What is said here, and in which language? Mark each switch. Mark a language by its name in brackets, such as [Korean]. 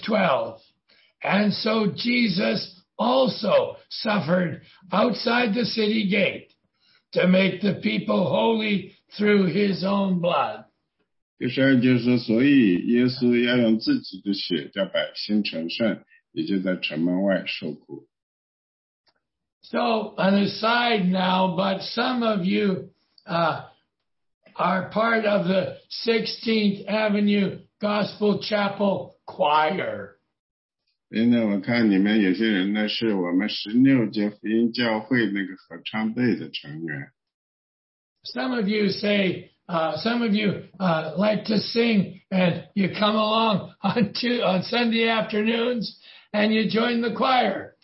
[English] 12, and so Jesus also suffered outside the city gate to make the people holy through his own blood. [Chinese] 第12节说，所以耶稣要用自己的血叫百姓成圣，也就在城门外受苦。 [English] So, an aside now, but some of you are part of the 16th Avenue Gospel Chapel Choir. [Chinese] 因为我看你们有些人呢，是我们16节福音教会那个合唱队的成员。 [English] Some of you say, like to sing, and you come along on Sunday afternoons, and you join the choir.